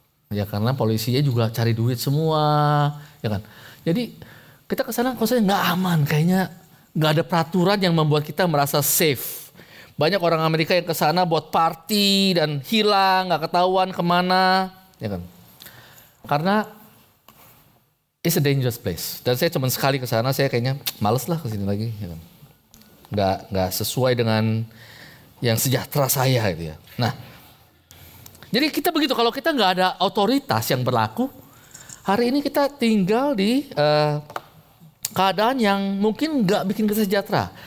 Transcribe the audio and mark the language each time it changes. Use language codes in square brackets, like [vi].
[id] Ya karena polisinya juga cari duit semua, ya kan. Jadi kita ke sana kosanya nggak aman, kayaknya nggak ada peraturan yang membuat kita merasa safe. Banyak orang Amerika yang ke sana buat party dan hilang, nggak ketahuan kemana, ya kan? [en] Karena it's a dangerous place. [id] Dan saya cuma sekali ke sana, saya kayaknya males lah kesini lagi, ya kan? Nggak sesuai dengan yang sejahtera saya gitu ya. Nah, jadi kita begitu kalau kita nggak ada otoritas yang berlaku. Hari ini kita tinggal di keadaan yang mungkin gak bikin kita sejahtera.